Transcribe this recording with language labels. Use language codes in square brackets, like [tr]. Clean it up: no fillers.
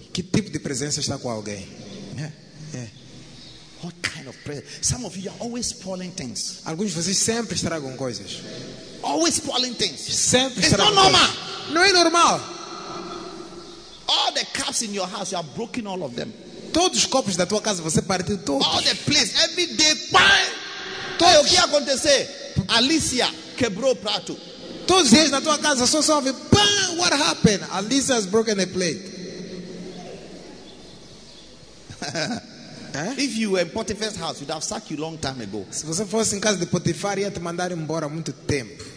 [pt] Que tipo de presença está com alguém? [en] What kind of presence? Some of you are always spoiling things. [pt] Alguns de vocês sempre estragam coisas. [en] Always spoiling things. [pt] Sempre estragam. [en] It's not normal. [pt] Não é normal. [en] All the cups in your house, you have broken all of them. [pt] Todos os copos da tua casa você partiu todos. [en] All the plates, every day, pai. [pt] Todos. O que aconteceu? Alicia quebrou o prato. Todos os dias na tua casa só sobe. [en] Bam! What happened? Alicia has broken a plate. If you were in Potiphar's house, you'd have sacked you long time ago. [pt] Se você fosse em casa de Potifar, ia te mandar embora há muito tempo.